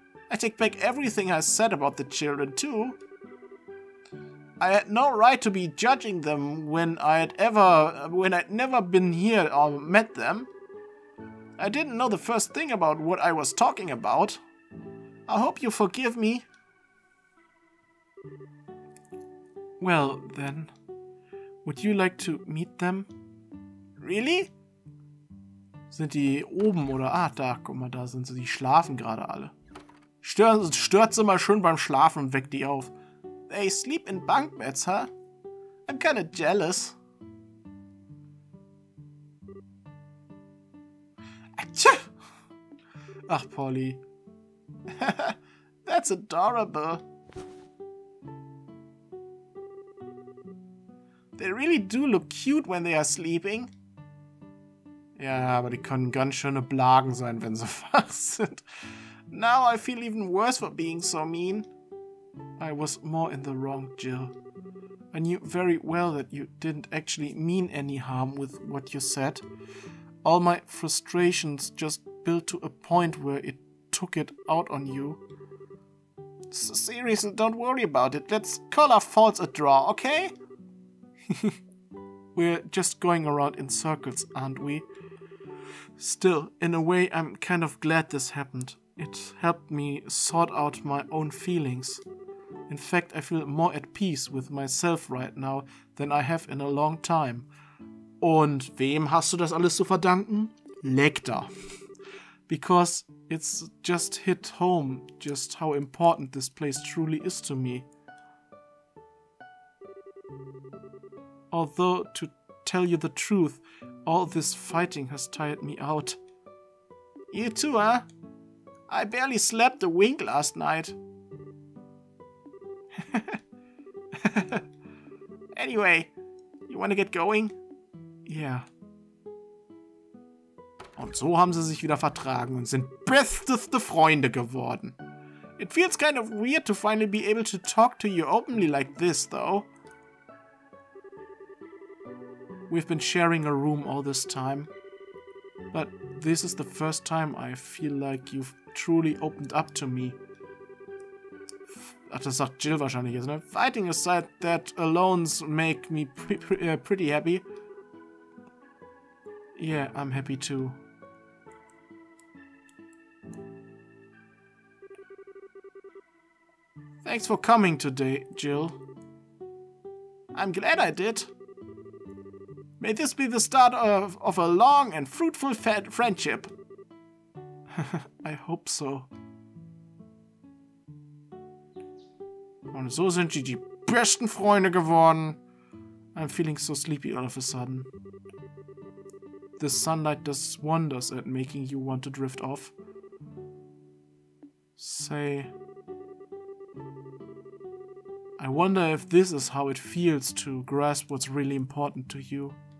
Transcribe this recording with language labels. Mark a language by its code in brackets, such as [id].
[en] I take back everything I said about the children, too. I had no right to be judging them when I'd never been here or met them. I didn't know the first thing about what I was talking about. I hope you forgive me. Well, then, would you like to meet them? Really? [de] Sind die oben oder? Ah, da, guck mal, da sind sie. Die schlafen gerade alle. Stört sie mal schön beim Schlafen und weckt die auf. [en] They sleep in bunk beds, huh? I'm kinda jealous. [de] Achja! Ach, Polly. [en] That's adorable. They really do look cute when they are sleeping. [de] Ja, aber die können ganz schöne Blagen sein, wenn sie wach sind. [en] Now I feel even worse for being so mean. I was more in the wrong, Jill. I knew very well that you didn't actually mean any harm with what you said. All my frustrations just built to a point where it took it out on you. Seriously, don't worry about it. Let's call our faults a draw, okay? We're just going around in circles, aren't we? Still, in a way, I'm kind of glad this happened. It helped me sort out my own feelings. In fact, I feel more at peace with myself right now than I have in a long time. [de] Und wem hast du das alles zu verdanken? Lecter. [en] Because it's just hit home just how important this place truly is to me. Although, to tell you the truth, all this fighting has tired me out. You too, huh? I barely slept a wink last night. Anyway, you wanna get going? Yeah. [de] Und so haben sie sich wieder vertragen und sind besteste Freunde geworden. [en] It feels kind of weird to finally be able to talk to you openly like this, though. We've been sharing a room all this time. But this is the first time I feel like you've truly opened up to me. [de] Ach, das sagt Jill wahrscheinlich jetzt, ne? [en] Fighting aside, that alones make me pretty happy. Yeah, I'm happy too. Thanks for coming today, Jill. I'm glad I did. May this be the start of a long and fruitful friendship. I hope so. [de] Und so sind sie die besten Freunde geworden. [en] I'm feeling so sleepy all of a sudden. The sunlight does wonders at making you want to drift off. Say, I wonder if this is how it feels to grasp what's really important to you.